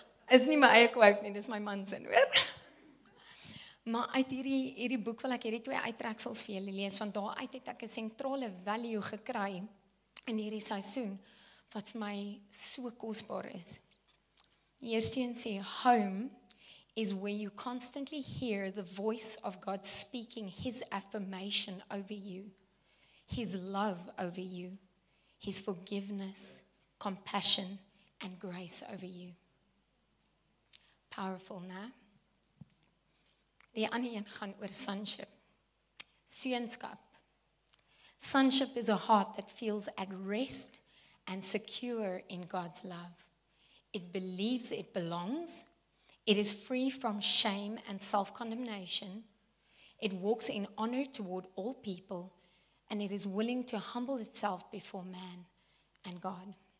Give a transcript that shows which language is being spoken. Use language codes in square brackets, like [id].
[af] Is nie my eie quote nie, dis my man se hoor. Maar uit hierdie boek wil ek hierdie twee uittreksels vir julle lees, want daaruit het ek 'n sentrale value gekry in hierdie seisoen, wat vir my so kostbaar is. Die eerste een sê, [en] home is where you constantly hear the voice of God speaking his affirmation over you, his love over you, his forgiveness, compassion, and grace over you. Powerful, nah? [af] Die ander een gaan oor sonship. Seenskap. [en] Sonship is a heart that feels at rest and secure in God's love. It believes it belongs. It is free from shame and self-condemnation. It walks in honor toward all people, and it is willing to humble itself before man and God.